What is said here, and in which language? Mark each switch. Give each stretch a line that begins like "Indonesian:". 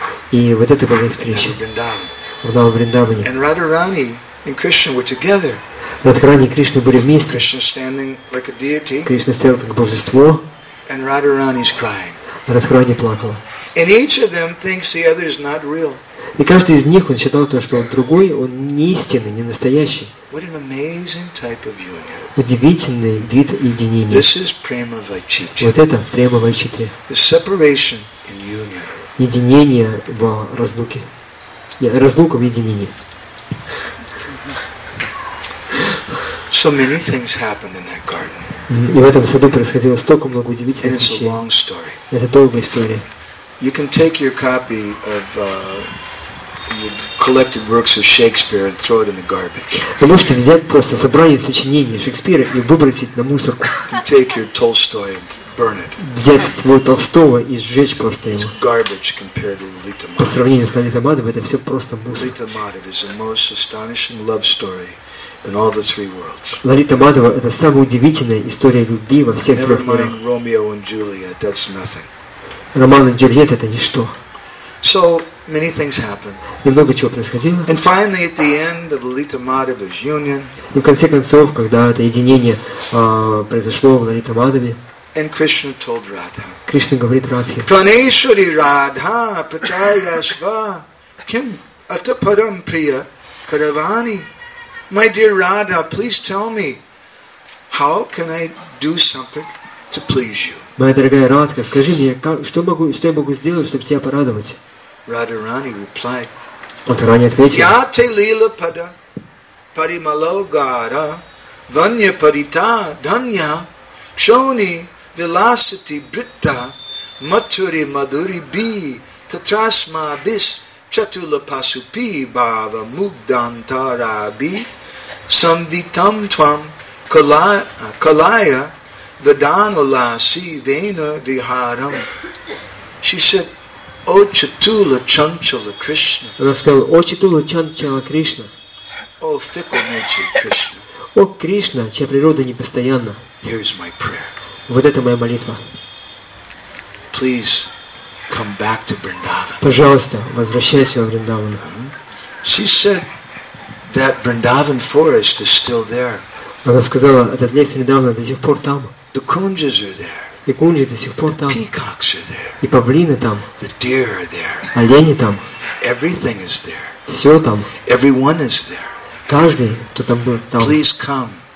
Russian: И вот это была их встреча.
English: And Radharani and Krishna were together.
Russian: Радхарани и Кришна были вместе.
English: Krishna standing like a deity.
Russian: Кришна стоял как божество.
English: And Radharani's crying.
Russian: Радхарани плакала.
English: And each of them thinks the other is not real.
Russian: И каждый из них он считал то, что он другой, он не истинный, не настоящий.
English: What an amazing type of union.
Russian: Удивительный вид единения.
English: This is prema vaichitya.
Russian: Вот это према вайчитри.
English: The separation in union.
Russian: Единение в разлуке. Нет, разлука в единении.
English: So many things happened in that garden.
Russian: И в этом саду происходило столько много удивительных вещей. Это долгая история.
English: You can take your copy of your collected works of Shakespeare and throw it in the garbage.
Russian: Вы можете взять просто собрание сочинений Шекспира и выбросить на мусорку.
English: Take your Tolstoy and burn it.
Russian: Взять твоего Толстого и сжечь просто его.
English: It's garbage compared to Lalita Madhava.
Russian: По сравнению с Лалита Мадхава, это все просто мусор.
English: Lalita Madhava is the most astonishing love story in all the three worlds.
Russian: Лалита Мадхава это самая удивительная история любви во всех трех мирах.
English: Never mind Romeo and Juliet, that's nothing.
Russian: Роман и Джульетта это ничто.
English: So many things happened.
Russian: И много чего происходило.
English: And finally, at the end of Lalita Madhava's union.
Russian: И в конце концов, когда это единение произошло в Лалита Мадхаве.
English: And Krishna told Radha.
Russian: Кришна говорит Радхе.
Sanskrit: Пранешвари Радха Пратаясва Ким Атапарам Прия Каравани.
English: My dear Radha, please tell me, how can I do something to please you?
Russian: Моя дорогая Радха, скажи мне, что я могу сделать, чтобы тебя порадовать?
English: Радхарани replied.
Russian: Радхарани ответила.
Sanskrit: Яте лила пада паримало гара ванья парита данья кшони веласити бритта матури мадури би татрасма бис чатула пасупи бава мугдантара би самвитам твам калая веданоласи вена вихарам.
English: She said, О Чатула Чанчала Кришна.
Russian: Она сказала, О Чатула Чанчала Кришна.
English: О фикл нечи Кришна.
Russian: О Кришна, чья природа непостоянна.
English: Here is my prayer.
Russian: Вот это моя молитва.
English: Please come back to Vrindavan.
Russian: Пожалуйста, возвращайся во Вриндаван.
English: She said that Vrindavan forest is still there.
Russian: Она сказала, этот лес Вриндавана до сих пор там.
English: The kunjas are there.
Russian: И кунжи до сих пор там.
English: The peacocks are there.
Russian: И павлины там.
English: The deer are there.
Russian: Олени там.
English: Everything is there.
Russian: Все там.
English: Everyone is there.
Russian: Каждый, кто там был, там.
English: Please come.